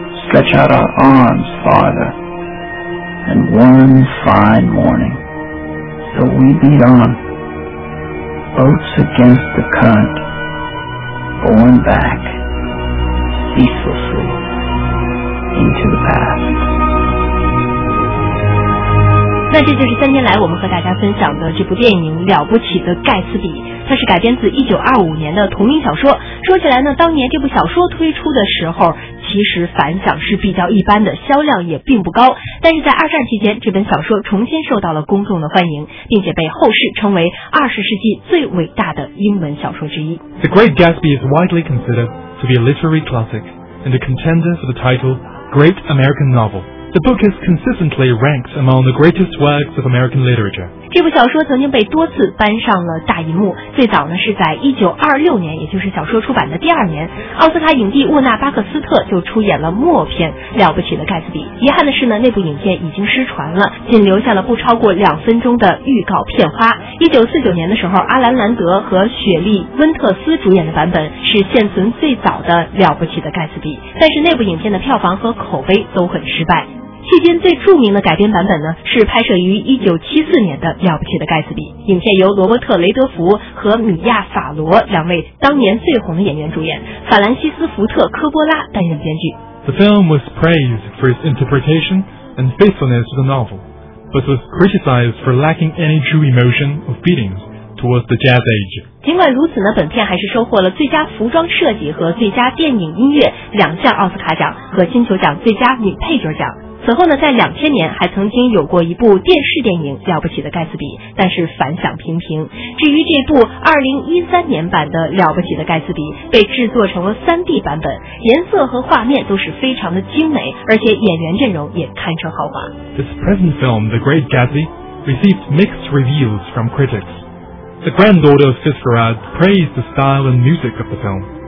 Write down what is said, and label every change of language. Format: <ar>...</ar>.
<en>Stretch out our arms farther, and one fine morning, so we beat on, boats against the current, borne back, ceaselessly, into the past.</en> <zh>那这就是三天来我们和大家分享的这部电影《了不起的盖茨比》，它是改编自1925年的同名小说。说起来呢，当年这部小说推出的时候，其实反响是比较一般的，销量也并不高。但是在二战期间，这本小说重新受到了公众的欢迎，并且被后世称为20世纪最伟大的英文小说之一。</zh> <en>The Great Gatsby is widely considered to be a literary classic and a contender for the title Great American Novel. The book is consistently ranked among the greatest works of American literature.</en> <zh>这部小说曾经被多次搬上了大荧幕，最早呢是在1926年，也就是小说出版的第二年，奥斯卡影帝沃纳·巴克斯特就出演了默片《了不起的盖茨比》。遗憾的是呢，那部影片已经失传了，仅留下了不超过2分钟的预告片花。 1949年的时候，阿兰·兰德和雪莉·温特斯主演的版本是现存最早的《了不起的盖茨比》，但是那部影片的票房和口碑都很失败。迄今最著名的改编版本呢，是拍摄于1974年的《了不起的盖茨比》，影片由罗伯特·雷德福和米亚·法罗两位当年最红的演员主演，法兰西斯·福特·科波拉担任编剧。</zh> <en>The film was praised for its interpretation and faithfulness to the novel, but was criticized for lacking any true emotion or feelings towards the Jazz Age.</en> <zh>尽管如此呢，本片还是收获了最佳服装设计和最佳电影音乐两项奥斯卡奖和金球奖最佳女配角奖。此后呢，在2000年还曾经有过一部电视电影《了不起的盖茨比》，但是反响平平。至于这部2013年版的《了不起的盖茨比》，被制作成了 3D 版本，颜色和画面都是非常的精美，而且演员阵容也堪称豪华。</zh> <en>This present film, The Great Gatsby, received mixed reviews from critics. The granddaughter of Fitzgerald praised the style and music of the film.</en>